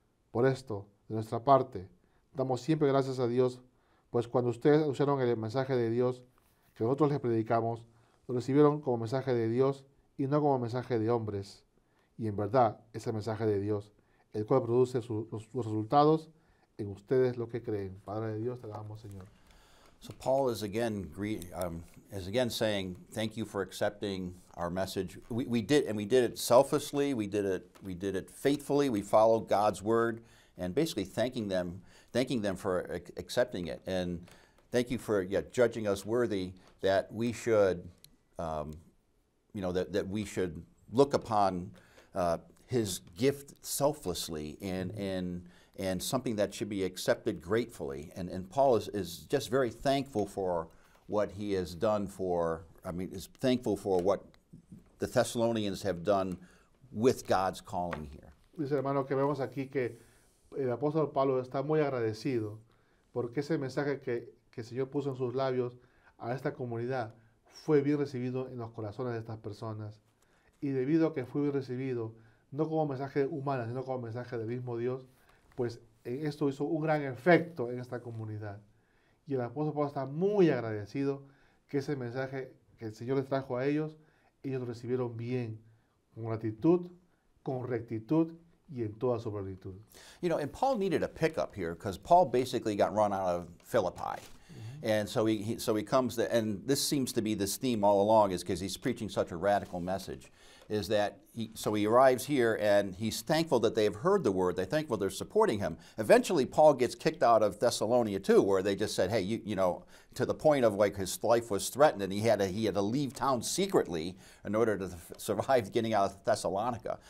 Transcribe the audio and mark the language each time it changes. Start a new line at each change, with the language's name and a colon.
Spanish: Por esto, de nuestra parte, damos siempre gracias a Dios, pues cuando ustedes escucharon el mensaje de Dios que nosotros les predicamos, lo recibieron como mensaje de Dios y no como mensaje de hombres. Y en verdad es el mensaje de Dios, el cual produce sus resultados en ustedes lo que creen. Padre de Dios, te alabamos, Señor.
English: So Paul is again saying thank you for accepting our message. We did it selflessly. We did it faithfully. We followed God's word. And basically thanking them for accepting it. And thank you for judging us worthy that we should, that we should look upon his gift selflessly and something that should be accepted gratefully. And Paul is just very thankful for what he has done is thankful for what the Thessalonians have done with God's calling here.
Spanish: Dice, hermano, que vemos aquí que el apóstol Pablo está muy agradecido porque ese mensaje que el Señor puso en sus labios a esta comunidad fue bien recibido en los corazones de estas personas. Y debido a que fue bien recibido, no como mensaje humano, sino como mensaje del mismo Dios, pues esto hizo un gran efecto en esta comunidad. Y el apóstol Pablo está muy agradecido que ese mensaje que el Señor les trajo a ellos, ellos lo recibieron bien, con gratitud, con rectitud, y en toda su plenitud.
English: And Paul needed a pickup here because Paul basically got run out of Philippi. Mm-hmm. And so he comes, and this seems to be this theme all along, is because he's preaching such a radical message, is that he arrives here, and he's thankful that they've heard the word. They're thankful they're supporting him. Eventually, Paul gets kicked out of Thessalonia too, where they just said, hey, you know, to the point of like his life was threatened, and he had to leave town secretly in order to survive getting out of Thessalonica.